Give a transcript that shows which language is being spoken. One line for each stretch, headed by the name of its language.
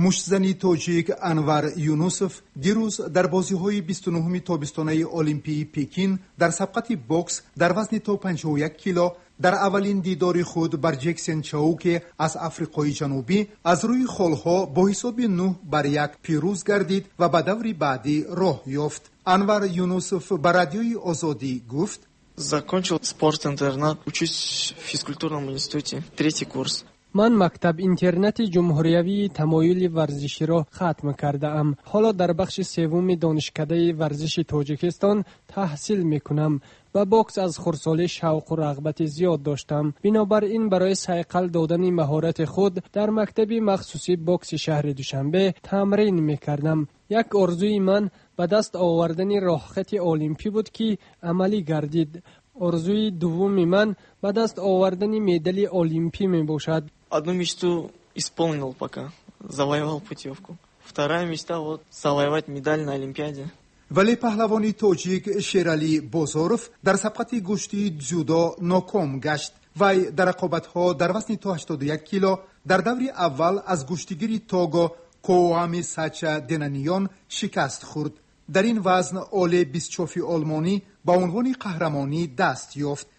Persian: مشتزنی تاجیک انور یونوسف دیروز در بازی‌های 29 تابستانه المپیک پکین در سبقت بوکس در وزن تا 51 کیلو در اولین دیدار خود بر جکسن چاو که از آفریقای جنوبی از روی خالها با حساب 9-1 پیروز گردید و به دور بعدی راه یافت. انور یونوسف بر رادیوی آزادی گفت:
Russian: закончил спорт интернат, учусь в физкультурном институте, третий курс.
Persian: من مکتب اینترنت جمهوریوی تمایل ورزشی را ختم کرده ام. حالا در بخش سوم دانشکده ورزش تاجیکستان تحصیل میکنم. با باکس از خردسالی شوق و رغبت زیاد داشتم. بنابر این برای صیقل دادن مهارت خود در مکتب مخصوصی باکس شهر دوشنبه تمرین میکردم. یک ارزوی من به دست آوردن راه خط المپی بود که عملی گردید. ارزوی دوم من به دست آوردن مدال المپی می باشد.
Russian: одну мечту исполнил пока, завоевал путёвку. вторая мечта вот завоевать медаль на олимпиаде.
Persian: ولی پهلوانی تاجیک شیرعلی بازاروف در سبقت گوشتی جودو ناکام گشت. وی در رقابت ها در وزن 81 کیلو در دور اول از گوشتگیری توگو کوامی ساچا دنانیون شکست خورد. در این وزن اولی بیستچوفی آلمانی با عنوان قهرمانی دست یافت.